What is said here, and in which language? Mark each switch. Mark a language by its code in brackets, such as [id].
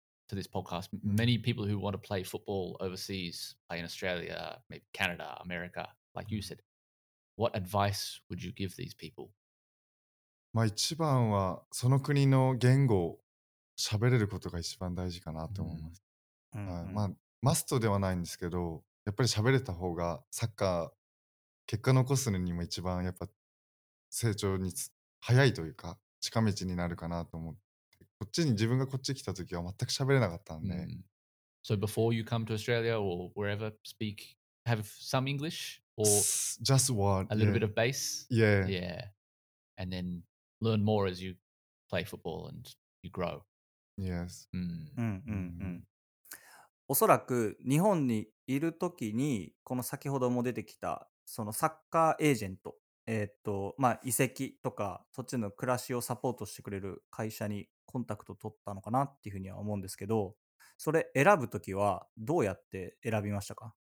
[en] To this podcast, many people who want to play football overseas, play in Australia, maybe Canada, America, like you said, what advice would you give these people? [ja] まあ一番はその国の言語を喋れることが一番大事かなと思います。 Mm-hmm. まあマストではないんですけど、やっぱり喋れた方がサッカー結果残すのにも一番やっぱ成長に早いというか近道になるかなと思って。こっちに自分がこっち来た時は全く喋れなかったんで、 [en] So before you come to Australia or wherever, speak have some English or just one, a little bit of base, yeah, yeah, and then learn more as you play football and you grow. Yes. [ja] うんうんうん。おそらく日本にいる時にこの先ほども出てきたそのサッカーエージェント、まあ移籍とかそっちの暮らしをサポートしてくれる会社に。コンタクト取ったのかなっていうふうには思うんですけど、それ選ぶときはどうやって選びましたか？